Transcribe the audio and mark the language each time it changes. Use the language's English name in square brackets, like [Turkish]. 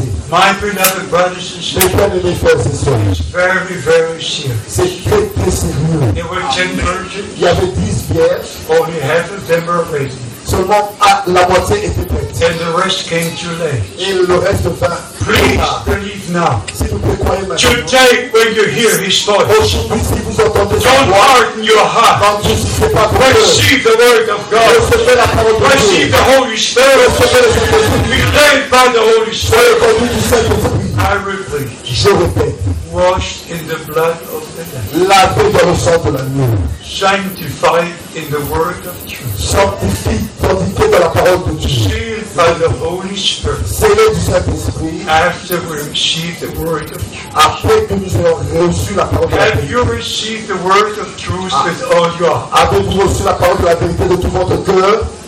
[English] My beloved brothers and sisters, it's very, very serious. There were 10 virgins. [French] Il y avait 10 vierges. [English] Only half of them were ready. [French] Seulement la moitié était prête. [English] And the rest came too late. [French] Et le reste va. [English] Please believe now. [French] Si vous pouvez croire maintenant. [English] Today, when you hear His voice. [French] Aujourd'hui, si vous entendez sa voix. [English] Don't harden your heart. Receive the word of God. [French] Recevez la parole de Dieu. [English] Receive the Holy Spirit. [French] Recevez le Saint-Esprit. [English] Be led by the Holy Spirit. [French] Soyez conduits du Saint-Esprit. [English] I repeat. [French] Je répète. [English] Washed in the blood of the Lamb. [French] Lavé dans le sang de l'agneau. [English] Sanctified in the word of truth. [French] Sanctifié. Sanctifié dans la parole de Dieu. [English] Sealed by the Holy Spirit. [French] Scellé du Saint-Esprit. [English] After we received the word of truth. [French] Après que nous avons reçu la parole de la vérité. [English] Have you received the word of truth with all your heart? [French] Avez-vous reçu la parole de la vérité de tout votre cœur?